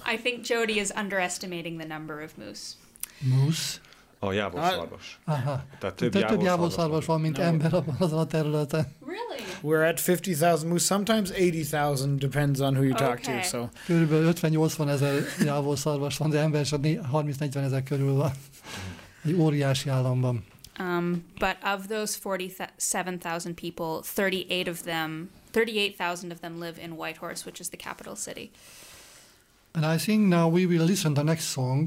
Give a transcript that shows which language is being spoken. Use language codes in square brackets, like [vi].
[en] I think Jody is underestimating the number of moose. Moose? [hu] Oh, jávorszarvas. Aha. Tehát több jávorszarvas van, mint ember azon a területen. [en] Really? We're at 50,000 moose. Sometimes 80,000, depends on who you talk to. So. [hu] Körülbelül 50-80 ezer jávorszarvas van, de ember is 30-40 ezer körül van. Egy óriási államban. [en] But of those 47,000 people, 38,000 of them live in Whitehorse, which is the capital city. And I think now we will listen to the next song.